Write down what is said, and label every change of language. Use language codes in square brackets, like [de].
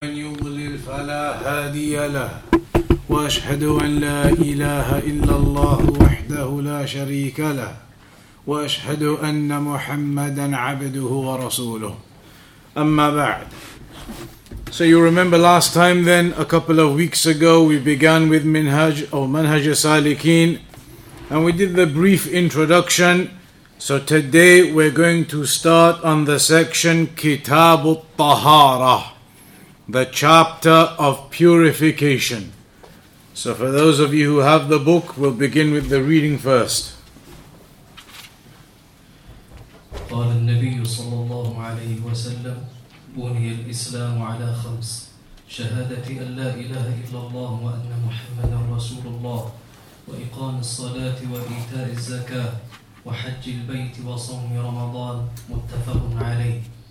[ar] فلا هادي له وأشهد أن لا إله إلا الله وحده لا شريك له وأشهد أن محمدا عبده ورسوله أما بعد. [en] So you remember last time, then a couple of weeks ago, we began with Minhaj or Manhaj Salikin, and we did the brief introduction. So today we're going to start on the section Kitab al-Tahara, the chapter of purification. So for those of you who have the book, we'll begin with the reading first. [ar] قال النبي صلى الله عليه وسلم بني الإسلام على خمس شهادة أن لا إله إلا الله وأن محمدا رسول الله وإقام الصلاة وإيتاء الزكاة وحج البيت وصوم رمضان متفق عليه